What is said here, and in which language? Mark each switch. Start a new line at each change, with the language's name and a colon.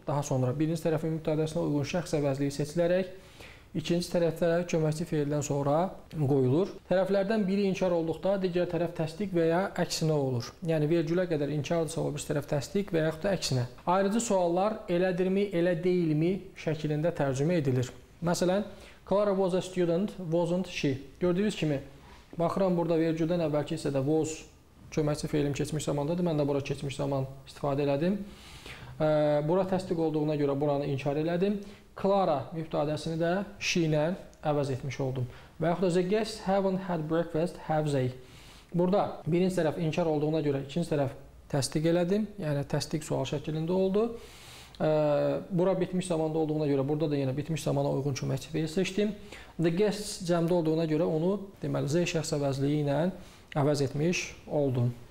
Azerbaijani: Daha sonra birinci tərəfin mübtədəsinə uyğun şəxs əvəzliyi seçilərək İkinci tərəfdə köməkçi fiildən sonra qoyulur. Tərəflərdən biri inkar olduqda digər tərəf təsdiq və ya əksinə olur. Yəni vergülə qədər inkardırsa o bir tərəf təsdiq və yaxud da əksinə. Ayrıcı suallar elədirmi, elə deyilmi şəklində tərcümə edilir.
English: Məsələn, Clara was a student, wasn't she?
Azerbaijani: Gördüyünüz kimi, baxıram burada vergüldən əvvəlki hissədə was köməkçi fiilim keçmiş zamandadır. Mən də bura keçmiş zaman istifadə elədim. Bura təsdiq olduğuna görə buranı inkar elədim. Clara mübtədəsini də she ilə əvəz etmiş oldum. Və yaxud da
English: the guests haven't had breakfast, have they?
Azerbaijani: Burada birinci tərəf inkar olduğuna görə ikinci tərəf təsdiq elədim. Yəni təsdiq sual şəklində oldu. Bura bitmiş zamanda olduğuna görə burada da yenə bitmiş zamana uyğun köməkçi fiil seçdim. The guests cəmdə olduğuna görə onu deməli they şəxs əvəzliyi ilə əvəz etmiş oldum.